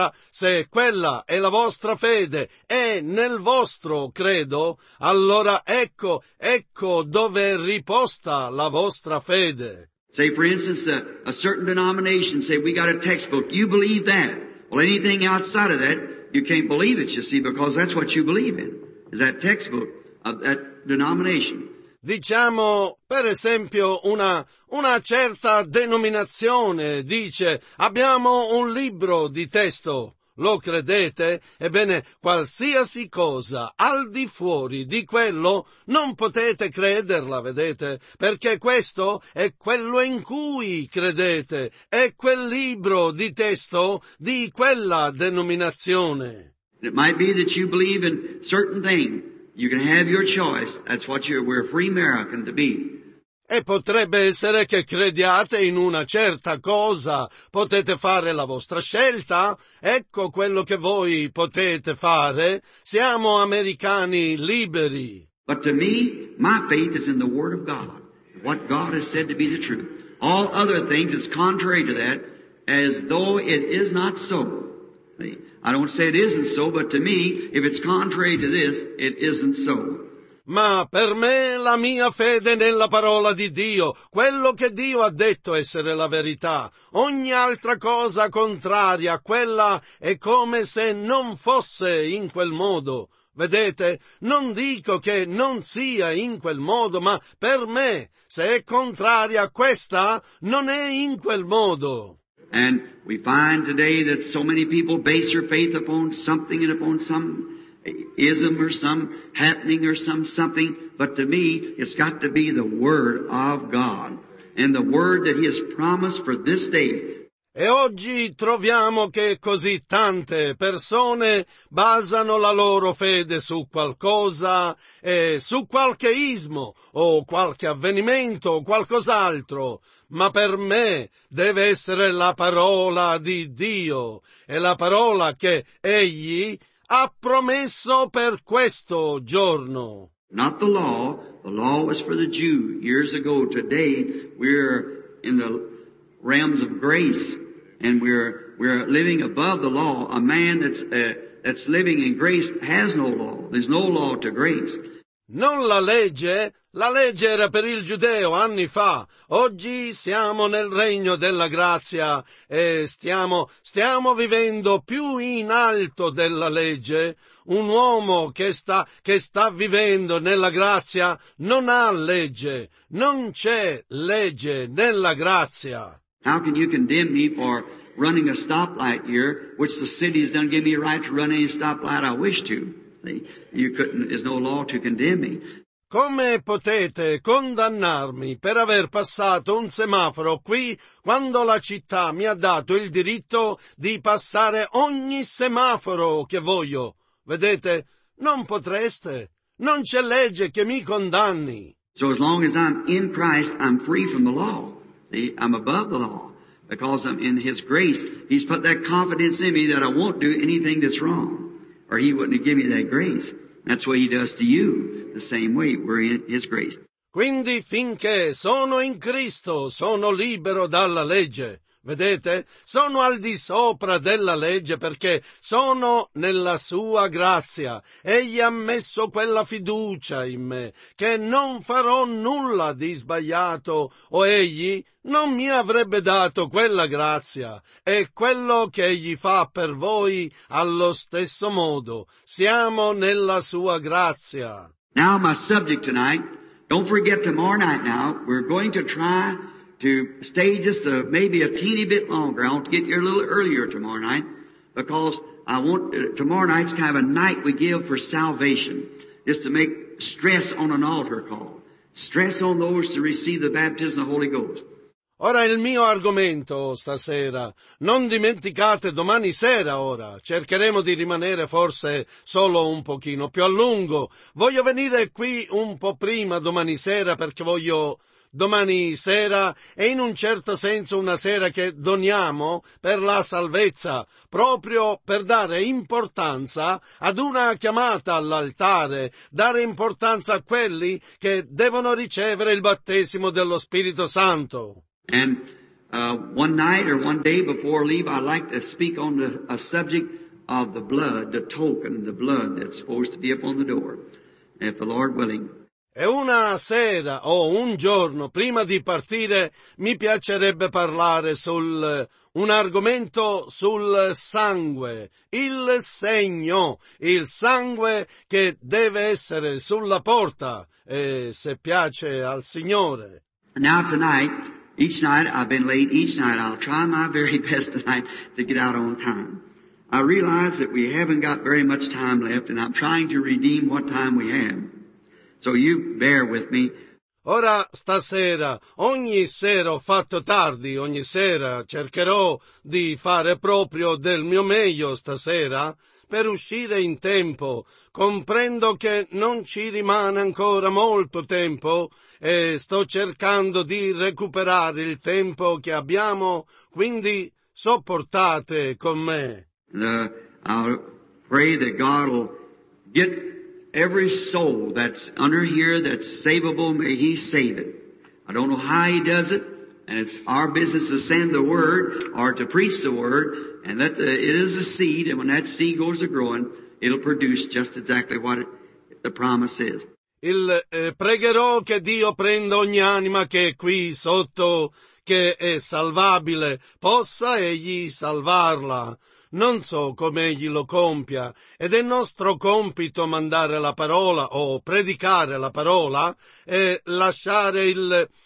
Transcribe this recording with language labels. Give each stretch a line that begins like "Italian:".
Italian: Se quella è la vostra fede, è nel vostro credo, allora ecco dove è riposta la vostra fede.
English: Say for instance a certain denomination, say we got a textbook, you believe that. Well, anything outside of that, you can't believe it, you see, because that's what you believe in, is that textbook of that denomination.
Italian: Diciamo, per esempio, una certa denominazione dice, abbiamo un libro di testo. Lo credete? Ebbene, qualsiasi cosa al di fuori di quello non potete crederla, vedete? Perché questo è quello in cui credete, è quel libro di testo di quella denominazione.
English: It might be that you believe in certain thing. You can have your choice. That's what we're free American to be.
Italian: E potrebbe essere che crediate in una certa cosa, potete fare la vostra scelta, ecco quello che voi potete fare, siamo americani liberi.
English: But to me, my faith is in the Word of God, what God has said to be the truth. All other things is contrary to that, as though it is not so. I don't say it isn't so, but to me, if it's contrary to this, it isn't so.
Italian: Ma per me la mia fede nella parola di Dio, quello che Dio ha detto essere la verità, ogni altra cosa contraria a quella è come se non fosse in quel modo. Vedete, non dico che non sia in quel modo, ma per me, se è contraria a questa, non è in quel modo.
English: And we find today that so many people base their faith upon something and upon some ism or some happening or some something, but to me, it's got to be the Word of God and the Word that He has promised for this day.
Italian: E oggi troviamo che così tante persone basano la loro fede su qualcosa, su qualche ismo o qualche avvenimento o qualcos'altro, ma per me deve essere la parola di Dio e la parola che Egli ha promesso per questo giorno.
English: Not the law was for the Jew years ago. Today we're in the realms of grace and we're living above the law. A man that's living in grace has no law. There's no law to grace.
Italian: Non la legge. La legge era per il giudeo anni fa. Oggi siamo nel regno della grazia e stiamo vivendo più in alto della legge. Un uomo che sta vivendo nella grazia non ha legge. Non c'è legge nella grazia.
English: How can you condemn me for running a stoplight here, which the city has done give me a right to run any stoplight I wish to? You couldn't, there's no law to condemn me.
Italian: Come potete condannarmi per aver passato un semaforo qui quando la città mi ha dato il diritto di passare ogni semaforo che voglio? Vedete, non potreste. Non c'è legge che mi condanni.
English: So as long as I'm in Christ, I'm free from the law. See, I'm above the law because I'm in His grace. He's put that confidence in me that I won't do anything that's wrong, or He wouldn't give me that grace. That's what He does to you, the same way, we're in His grace.
Italian: Quindi finché sono in Cristo, sono libero dalla legge. Vedete? Sono al di sopra della legge perché sono nella sua grazia. Egli ha messo quella fiducia in me che non farò nulla di sbagliato o egli non mi avrebbe dato quella grazia. E quello che egli fa per voi allo stesso modo. Siamo nella sua grazia.
English: Now my subject tonight, don't forget tomorrow night now, we're going to try to stay just a, maybe a teeny bit longer. I want to get here a little earlier tomorrow night because I want, tomorrow night's kind of a night we give for salvation, just to make stress on an altar call. Stress on those to receive the baptism of the Holy Ghost.
Italian: Ora il mio argomento stasera, non dimenticate domani sera ora, cercheremo di rimanere forse solo un pochino più a lungo. Voglio venire qui un po' prima domani sera perché voglio... Domani sera è in un certo senso una sera che doniamo per la salvezza, proprio per dare importanza ad una chiamata all'altare, dare importanza a quelli che devono ricevere il battesimo dello Spirito Santo.
English: And one night or one day before I leave, I like to speak on the a subject of the blood, the token, the blood that's supposed to be upon the door, if the Lord willing.
Italian: E una sera o un giorno prima di partire mi piacerebbe parlare sul un argomento sul sangue, il segno, il sangue che deve essere sulla porta, e se piace al Signore.
English: Now tonight, each night I've been late, each night I'll try my very best tonight to get out on time. I realize that we haven't got very much time left and I'm trying to redeem what time we have. So you bear with me.
Italian: Ora stasera, ogni sera ho fatto tardi, ogni sera cercherò di fare proprio del mio meglio stasera per uscire in tempo. Comprendo che non ci rimane ancora molto tempo e sto cercando di recuperare il tempo che abbiamo, quindi sopportate con me.
English: I'll pray that God will get every soul that's under here that's savable, may he save it. I don't know how he does it, and it's our business to send the word or to preach the word, and that it is a seed, and when that seed goes to growing, it'll produce just exactly what the promise is.
Italian: Pregherò che Dio prenda ogni anima che è qui sotto, che è salvabile, possa egli salvarla. Non so come egli lo compia, ed è nostro compito mandare la parola o predicare la parola e lasciare il...